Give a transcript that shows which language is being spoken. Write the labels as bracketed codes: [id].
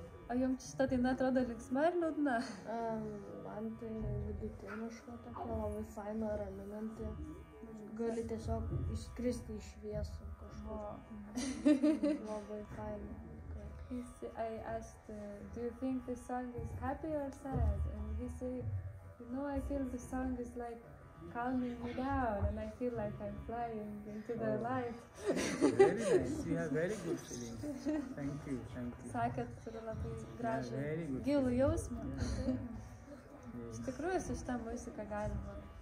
[lt] O jums šita daina atrodo linksma ir liūdna? Man tai vidutiniška tokia, labai faina, raminanti. Gali tiesiog išskristi iš šviesų kažkur. Labai faina. [en] I asked, do you think this song is happy or sad? And he said, you know, I feel the song is like calming me down and I feel like I'm flying into the light. Very nice. You have very good feeling. Thank you, thank you. [lt] Sakėt, turi labai gražią, gilų jausmą. Iš tikrųjų, su šitą muziką galima.